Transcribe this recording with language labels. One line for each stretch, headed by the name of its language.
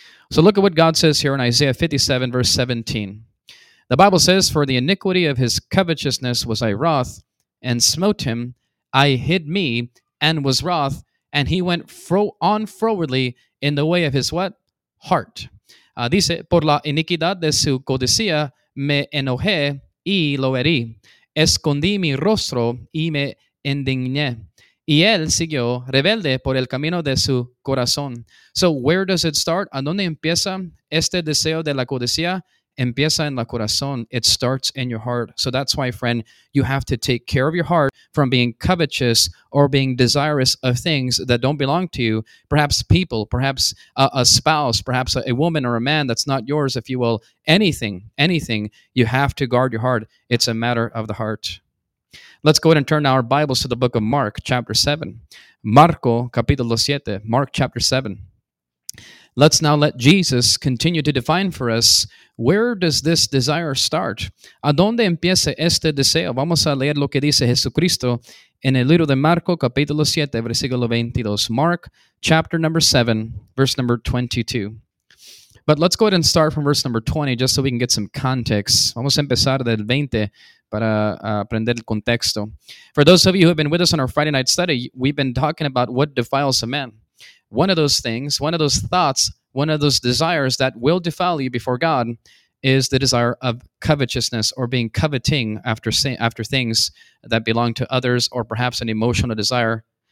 English: So look at what God says here in Isaiah 57, verse 17. The Bible says, for the iniquity of his covetousness was I wroth and smote him. I hid me and was wroth, and he went on frowardly in the way of his what? Heart.
Spanish: Dice, por la iniquidad de su codicia me enojé y lo herí. Escondí mi rostro y me indigné. Y él siguió rebelde por el camino de su corazón.
English: So where does it start?
Spanish: ¿A dónde empieza este deseo de la codicia? Empieza en la corazón.
English: It starts in your heart. So that's why, friend, you have to take care of your heart from being covetous or being desirous of things that don't belong to you. Perhaps people, perhaps a spouse, perhaps a woman or a man that's not yours, if you will. Anything. You have to guard your heart. It's a matter of the heart. Let's go ahead and turn our Bibles to the book of Mark, chapter 7.
Spanish: Marco, capítulo 7.
English: Mark, chapter 7. Let's now let Jesus continue to define for us, where does this desire start?
Spanish: ¿A dónde empieza este deseo? Vamos a leer lo que dice Jesucristo en el libro de Marco, capítulo 7, versículo 22.
English: Mark, chapter number 7, verse number 22. But let's go ahead and start from verse number 20, just so we can get some context.
Spanish: Vamos a empezar del 20 para aprender el contexto.
English: For those of you who have been with us on our Friday night study, we've been talking about what defiles a man. One of those things, one of those thoughts, one of those desires that will defile you before God is the desire of covetousness, or being coveting after things that belong to others, or perhaps an emotional desire.